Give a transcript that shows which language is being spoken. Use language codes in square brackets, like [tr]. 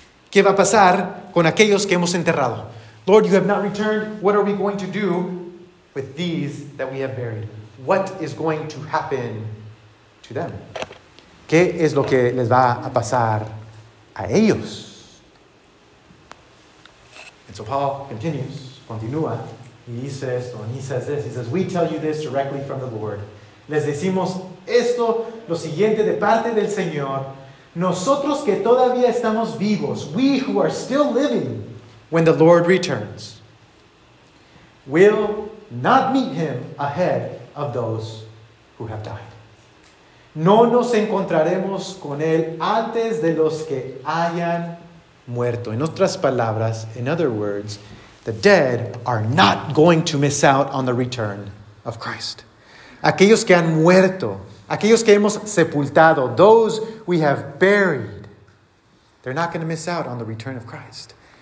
[es] ¿Qué va a pasar con aquellos que hemos enterrado? [en] Lord, you have not returned. What are we going to do with these that we have buried? What is going to happen to them? [es] ¿Qué es lo que les va a pasar a ellos? [en] And so Paul [es] continúa, y dice esto, [en] and he says this. He says, we tell you this directly from the Lord. [es] Les decimos esto, lo siguiente, de parte del Señor. Nosotros que todavía estamos vivos, [en] we who are still living, when the Lord returns, will not meet him ahead of those who have died. [es] No nos encontraremos con él antes de los que hayan muerto. En otras palabras, [en] in other words, the dead are not going to miss out on the return of Christ. [es] Aquellos que han muerto, aquellos que hemos sepultado, [en] those we have buried, they're not going to miss out on the return of Christ.